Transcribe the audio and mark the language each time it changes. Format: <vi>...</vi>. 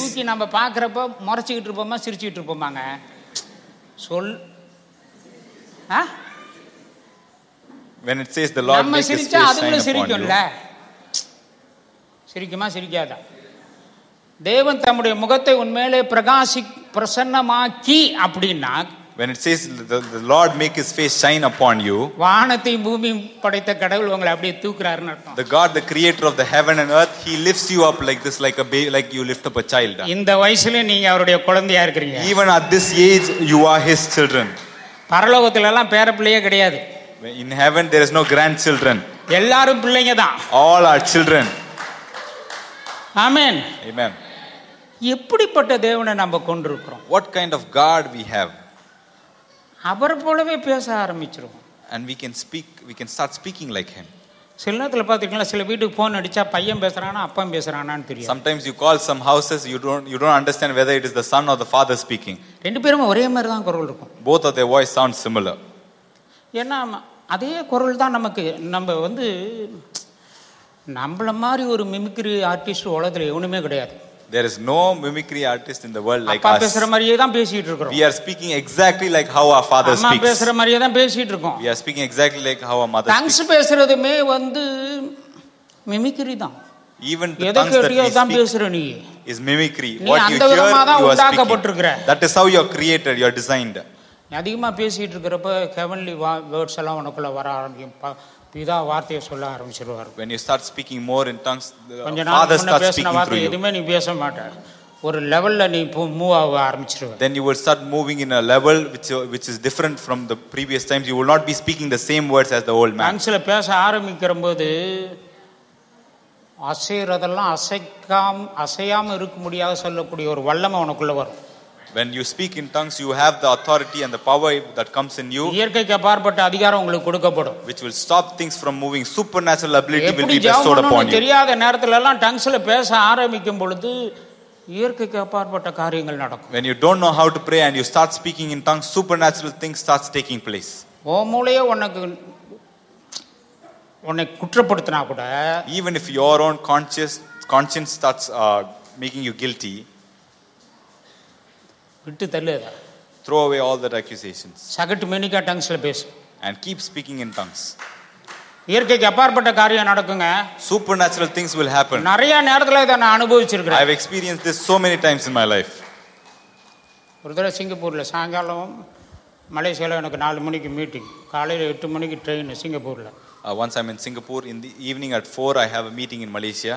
<ta>தூக்கி நம்ம பாக்குறப்ப முறைச்சிக்கிட்டு இருப்போமா சிரிச்சுட்டு இருப்போமாங்க? சொல்.</ta> <en>When it says the Lord makes his face shine upon you,</en> <ta>சிரிக்கும்ல? சிரிக்குமா சிரிக்காதா? தேவன் தம்முடைய முகத்தை உன் மேலே பிரகாசி பிரசன்னமாக்கி அப்படின்னா,</ta> <en>when it says the Lord make his face shine upon you,</en> <ta>வானத்தையும் பூமியையும் படைத்த கடவுள் உங்களை அப்படியே தூக்குறாருன்னு அர்த்தம்.</ta> <en>The God, the creator of the heaven and earth, he lifts you up like this, like a baby, like you lift up a child.</en> <ta>இந்த வயசுல நீங்க அவருடைய குழந்தையா இருக்கீங்க.</ta> <en>Even at this age you are his children.</en> <ta>பரலோகத்துல எல்லாம் பேர பிள்ளையே கிடையாது.</ta> <en>In heaven there is no grandchildren.</en> <ta>எல்லாரும் பிள்ளைங்க தான்.</ta> <en>All are children. Amen. Amen.</en> <ta>எப்படிப்பட்ட தேவனை நம்ம கொண்டிருக்கிறோம்?</ta> <en>What kind of God we have?</en> <ta>அவரை போலவே பேச ஆரம்பிச்சிருவோம்.</ta> <en>And we can start speaking like him.</en> <ta>சில நேரத்தில் பார்த்துருக்கீங்களா, சில வீட்டுக்கு ஃபோன் அடிச்சா பையன் பேசுறானா அப்பா பேசுறானான்னு தெரியும்.</ta> <en>Sometimes you call some houses you don't understand whether it is the son or the father speaking.</en> <ta>ரெண்டு பேரும் ஒரே மாதிரி தான் குரல் இருக்கும்.</ta> <en>Both of the voice sound similar.</en> <ta>ஏன்னா அதே குரல் தான் நமக்கு. நம்ம வந்து நம்மள மாதிரி ஒரு மிமிக்ரி ஆர்டிஸ்ட் உலகத்தில் எவனுமே கிடையாது.</ta> <en>There is no mimicry artist in the world like us.</en> <ta>பேசுற மாதிரியே தான் பேசிட்டு இருக்கோம்.</ta> <en>We are speaking exactly like how our father speaks.</en> <ta>அம்மா பேசுற மாதிரியே தான் பேசிட்டு இருக்கோம்.</ta> <en>We are speaking exactly like how our mother speaks.</en> <ta>Tongues பேசுறதுமே வந்து mimicry தான்.</ta> <en>Even the tongues that you speak</en> <ta>பேசுற நீ</ta> <en>is mimicry. What you hear, you are speaking. That is how you are created, you are designed.</en> <ta>நீ அதிகமாக பேசிட்டு இருக்கிறப்ப heavenly words எல்லாம் உனக்குள்ள வர ஆரம்பிக்கும். பிதா வார்த்தையை சொல்ல ஆரம்பிச்சிருவார்.</ta> <en>When you start speaking more in tongues, the father starts speaking through you.</en> <ta>எதுவுமே நீ பேச மாட்டாய். ஒரு லெவல்ல நீ இப்போ மூவ் ஆக ஆரம்பிச்சிருவா.</ta> <en>Then you will start moving in a level which is different from the previous times. You will not be speaking the same words as the old man.</en> <ta>ஆங்கில பேச ஆரம்பிக்கும்போது அசைறதெல்லாம் அசையாம இருக்க முடியாத சொல்லக்கூடிய ஒரு வல்லமை உனக்குள்ள வரும்.</ta> <en>When you speak in tongues, you have the authority and the power that comes in you.</en> <ta>இயற்கைக்கு அப்பாற்பட்ட அதிகாரம் உங்களுக்கு கொடுக்கப்படும்.</ta> <en>Which will stop things from moving. Supernatural ability will be bestowed upon you.</en> <ta>தெரியாத நேரத்துல எல்லாம் டங்ஸ்ல பேச ஆரம்பிக்கும் பொழுது இயற்கைக்கு அப்பாற்பட்ட காரியங்கள் நடக்கும்.</ta> <en>When you don't know how to pray and you start speaking in tongues, supernatural things starts taking place.</en> <ta>ஓ மூலையே உனக்கு குற்றப்படுத்தினா கூட,</ta> <en>even if your own conscience starts making you guilty,</en> <ta>விட்டு தள்ளுதா.</ta> <en>Throw away all that accusations.</en> <ta>சகட்டு மெனிக்கா டங்ஸ்ல பேசு.</ta> <en>And keep speaking in tongues.</en> <ta>இயற்கைக்கு அப்பாற்பட்ட காரியம் நடக்குங்க.</ta> <en>Supernatural things will happen.</en> <ta>நிறைய நேரத்துல இத நான் அனுபவிச்சிருக்கேன்.</ta> <en>I have experienced this so many times in my life.</en> <ta>ஒரு தடவை சிங்கப்பூர்ல சாயங்காலம் மலேசியால எனக்கு 4 மணிக்கு மீட்டிங். காலையில 8 மணிக்கு ட்ரெயின் சிங்கப்பூர்ல.</ta> <en>Once I'm in Singapore in the evening at 4 I have a meeting in Malaysia.</en>